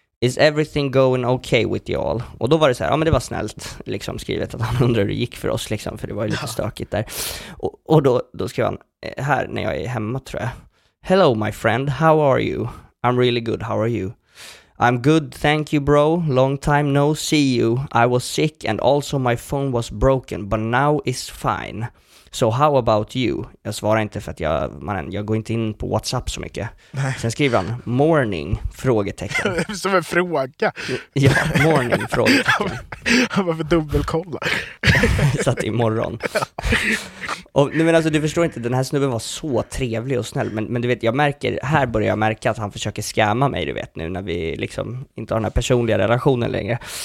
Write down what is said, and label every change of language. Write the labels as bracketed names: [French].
[English] Is everything going okay with y'all? [Swedish] Och då var det så här, ja men det var snällt liksom skrivet att han undrar hur det gick för oss liksom, för det var ju lite stökigt där. Och då skrev han här när jag är hemma tror jag. [English] Hello my friend, how are you? I'm really good, how are you? I'm good, thank you bro. Long time no see you. I was sick and also my phone was broken but now is fine. So how about you? [Swedish] Jag svarar inte för att jag går inte in på WhatsApp så mycket. Nej. Sen skriver han morning frågetecken. Som en fråga. Ja, morning frågetecken. Han bara för dubbelkolla. Satt imorgon. Och nu men alltså du förstår inte, den här snubben var så trevlig och snäll, men du vet jag märker här börjar jag märka att han försöker skämma mig, du vet, nu när vi liksom inte har den här personliga relationen längre.